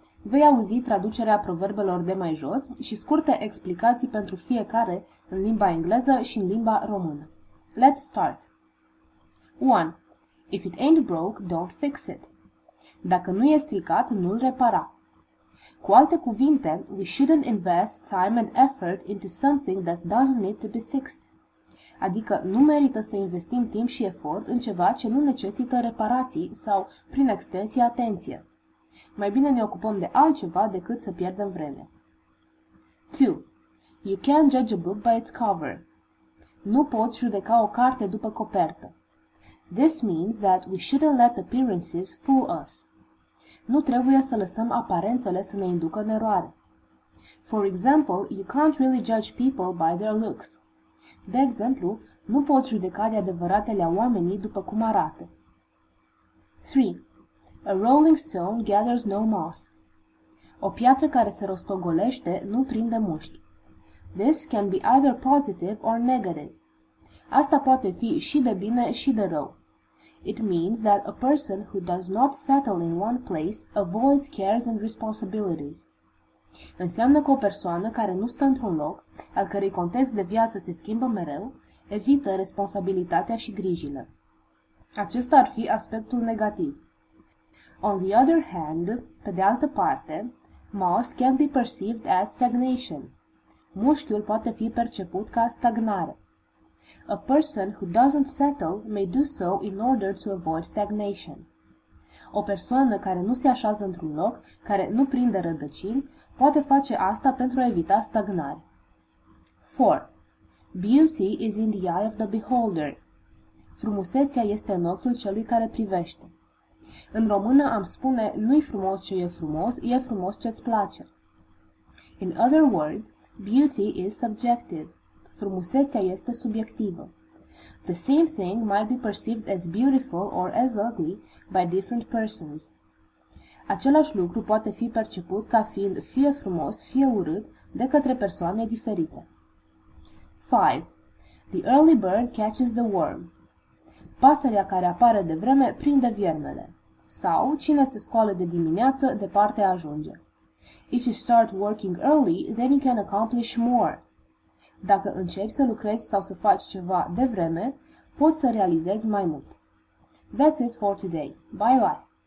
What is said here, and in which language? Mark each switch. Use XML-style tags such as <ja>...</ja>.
<ro>Vei auzi traducerea proverbelor de mai jos și scurte explicații pentru fiecare în limba engleză și în limba română.</ro> <en>Let's start!</en> <ro>1.</ro> <en>If it ain't broke, don't fix it.</en> <ro>Dacă nu e stricat, nu-l repara. Cu alte cuvinte,</ro> <en>we shouldn't invest time and effort into something that doesn't need to be fixed.</en> <ro>Adică nu merită să investim timp și efort în ceva ce nu necesită reparații sau, prin extensie, atenție. Mai bine ne ocupăm de altceva decât să pierdem vreme. 2.</ro> <en>You can't judge a book by its cover.</en> <ro>Nu poți judeca o carte după copertă.</ro> <en>This means that we shouldn't let appearances fool us.</en> <ro>Nu trebuie să lăsăm aparențele să ne inducă în eroare.</ro> <en>For example, you can't really judge people by their looks.</en> <ro>De exemplu, nu poți judeca de adevăratele oamenii după cum arată. 3.</ro> <en>A rolling stone gathers no moss.</en> <ro>O piatră care se rostogolește nu prinde mușchi.</ro> <en>This can be either positive or negative.</en> <ro>Asta poate fi și de bine și de rău.</ro> <en>It means that a person who does not settle in one place avoids cares and responsibilities.</en> <ro>Înseamnă că o persoană care nu stă într-un loc, al cărei context de viață se schimbă mereu, evită responsabilitatea și grijile. Acesta ar fi aspectul negativ.</ro> <en>On the other hand,</en> <ro>pe de altă parte,</ro> <en>moss can be perceived as stagnation.</en> <ro>Mușchiul poate fi perceput ca stagnare.</ro> <en>A person who doesn't settle may do so in order to avoid stagnation.</en> <ro>O persoană care nu se așează într-un loc, care nu prinde rădăcini, poate face asta pentru a evita stagnare. 4.</ro> <en>Beauty is in the eye of the beholder.</en> <ro>Frumusețea este în ochiul celui care privește. În română am spune, nu-i frumos ce e frumos ce-ți place.</ro> <en>In other words, beauty is subjective.</en> <ro>Frumusețea este subiectivă.</ro> <en>The same thing might be perceived as beautiful or as ugly by different persons.</en> <ro>Același lucru poate fi perceput ca fiind fie frumos, fie urât, de către persoane diferite. 5.</ro> <en>The early bird catches the worm.</en> <ro>Pasărea care apare de vreme prinde viermele. Sau, cine se scoală de dimineață, departe ajunge.</ro> <en>If you start working early, then you can accomplish more.</en> <ro>Dacă începi să lucrezi sau să faci ceva de vreme, poți să realizezi mai mult.</ro> <en>That's it for today. Bye-bye!</en>